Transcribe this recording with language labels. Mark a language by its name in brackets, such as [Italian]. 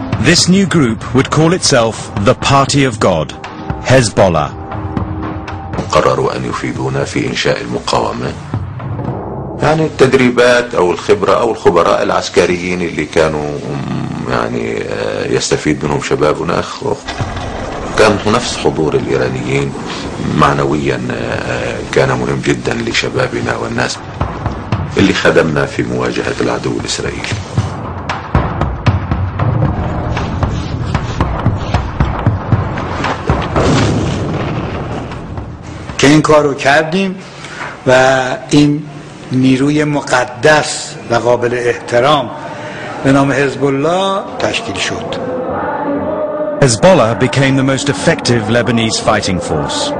[English] This new group would call itself the Party of God, Hezbollah. [Arabic] قرروا أن يفيدونا في إنشاء المقاومة. يعني التدريبات أو الخبرة أو الخبراء العسكريين اللي كانوا يعني يستفيد منهم شبابنا أخوه. كان نفس حضور الإيرانيين معنويا كان مهم جدا لشبابنا والناس اللي خدمنا في مواجهة العدو الإسرائيلي. [Persian] که این کار رو کردیم و این نیروی مقدس و قابل احترام به نام حزب الله تشکیل شد. [English] Hezbollah became the most effective Lebanese fighting force.